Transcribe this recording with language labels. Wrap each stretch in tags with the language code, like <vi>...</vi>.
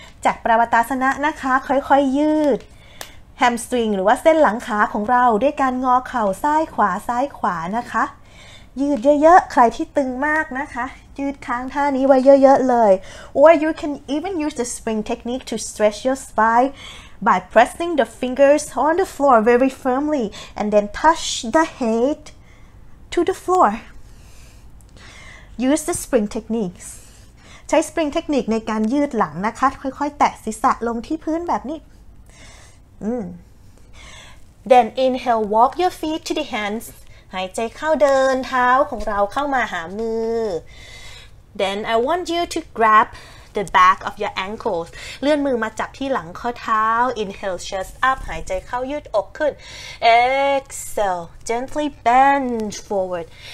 <th>จาก Parvatasana นะคะค่อยๆยืดแฮมสตริงหรือว่าเส้นหลังขาของเราด้วยการงอเข่าซ้ายขวาซ้ายขวานะคะยืดเยอะๆใครที่ตึงมากนะคะยืดค้างท่านี้ไว้เยอะๆเลย</th> <en>Or you can even use the spring technique to stretch your spine by pressing the fingers on the floor</en> <th>very firmly and then touch the head to the floor</th> <en>Use the spring techniques</en> <th>ใช้สปริงเทคนิคในการยืดหลังนะคะค่อยๆแตะศีรษะลงที่พื้นแบบนี้</th> <en>Then inhale, walk your feet to the hands.</en> <th>หายใจเข้าเดินเท้าของเราเข้ามาหามือ</th> <en>Then I want you to grab the back of your ankles.</en> <th>เลื่อนมือมาจับที่หลังข้อเท้า</th> <en>Inhale, chest up.</en> <th>หายใจเข้ายืดอกขึ้น</th> <en>Exhale, gently bend forward.</en>